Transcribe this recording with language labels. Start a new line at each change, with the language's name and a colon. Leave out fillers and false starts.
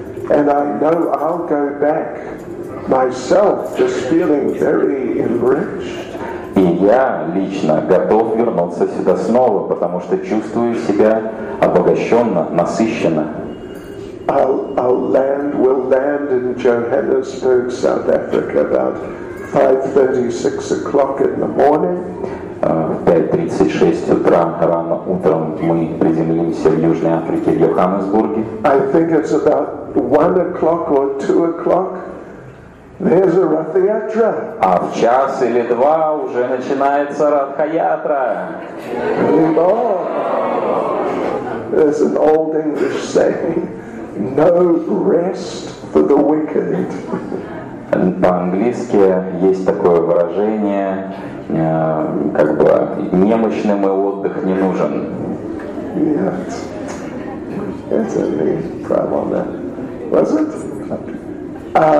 English: And I know I'll go back myself, just feeling very enriched.
Russian: И я лично готов вернуться сюда снова, потому что чувствую себя обогащенно, насыщенно.
English: We'll land in Johannesburg, South Africa, about 5:36 o'clock in the morning.
Russian: В 5:36 утра рано утром мы приземлимся в Южной Африке, в Йоханнесбурге.
English: I think it's about 1 o'clock or 2 o'clock. There's a Ratha-yatra.
Russian: А в час или два уже начинается Ратха-yatra.
English: There's an old English saying, no rest for the wicked.
Russian: По-английски есть такое выражение, как бы немощным и отдых не нужен.
English: Yes. Was it?